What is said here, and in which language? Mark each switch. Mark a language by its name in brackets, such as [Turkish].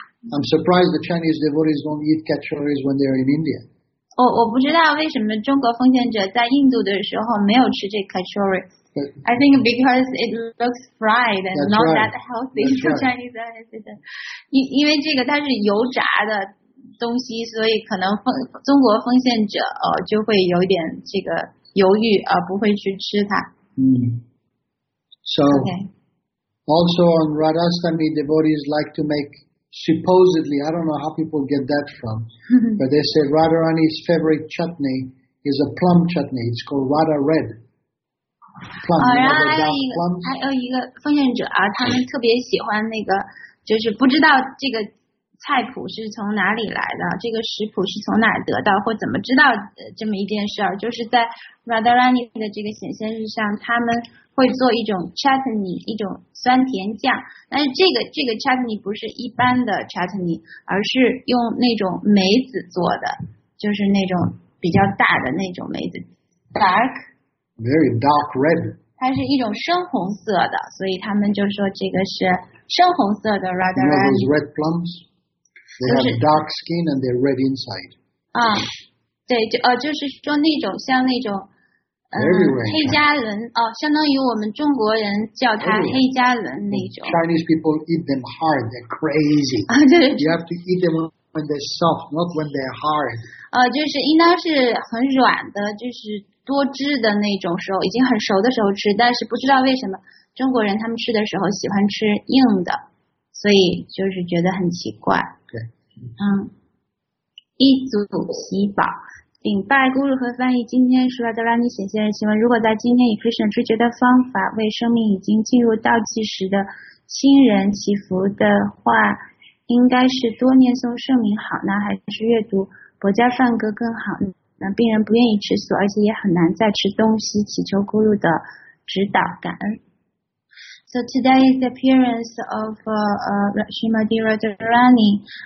[English] I'm surprised the Chinese devotees don't eat kachoris when they're in India. [Chinese] 我不知道为什么中国奉献者在印度的时候没有吃这 kachori. [English] I think because it looks fried and not that healthy for Chinese residents. [Chinese] 因为这个它是油炸的东西，所以可能中国奉献者就会有点这个犹豫不会去吃它。 [English] So, also on Radhastami, devotees like to make. Supposedly, I don't know how people get that from, but they say Radharani's favorite chutney is a plum chutney. It's called Radha Red. Plum. [Chinese] 还有一个奉献者啊，他们特别喜欢那个，就是不知道这个菜谱是从哪里来的，这个食谱是从哪得到，或怎么知道这么一件事儿，就是在 Radharani 的这个显现日上，他们。会做一种 chutney， 一种酸甜酱，但是这个 chutney 不是一般的 chutney， 而是用那种梅子做的，就是那种比较大的那种梅子 ， [English] dark， very dark red， [Chinese] 它是一种深红色的，所以他们就说这个是深红色的 [English] rather than red plums， they have dark skin and they're red inside。 [Chinese] 对，就是说那种像那种。黑加仑哦，相当于我们中国人叫它黑加仑那种。 [English] Chinese people eat them hard. They're crazy. [Chinese] 啊，对对。 [English] You have to eat them when they're soft, not when they're hard. [Chinese] 就是应当是很软的，就是多汁的那种时候，已经很熟的时候吃。但是不知道为什么中国人他们吃的时候喜欢吃硬的，所以就是觉得很奇怪。对。嗯，一组皮宝。顶拜咕噜和翻译，今天是德拉尼写信，请问如果在今天以 Krishna 直觉的方法为生命已经进入倒计时的亲人祈福的话，应该是多念诵圣名好呢，还是阅读薄伽梵歌更好呢？那病人不愿意吃素，而且也很难再吃东西，祈求咕噜的指导，感恩。 [English] So today is the appearance of Srimati Radharani.